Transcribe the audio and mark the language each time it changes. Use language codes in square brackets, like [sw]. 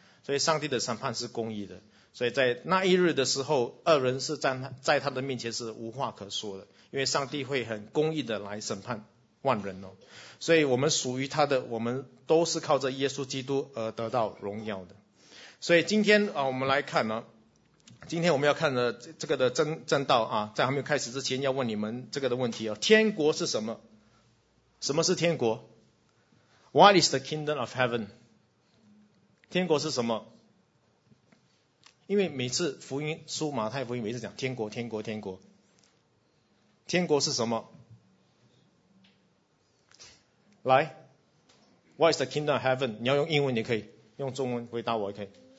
[zh] 所以上帝的审判是公义的，所以在那一日的时候，恶人是在他的面前是无话可说的，因为上帝会很公义的来审判万人哦。所以我们属于他的，我们都是靠着耶稣基督而得到荣耀的。所以今天啊，我们来看呢、啊，今天我们要看的这个的正道啊，在还没有开始之前，要问你们这个的问题哦、啊：天国是什么？什么是天国 [en] ？What is the kingdom of heaven？ [zh] 天国是什么？因为每次福音书马太福音每次讲天国，天国，天国，天国是什么？ [en] 来 ，What is the kingdom of heaven？ [zh] 你要用英文也可以，用中文回答我也可以。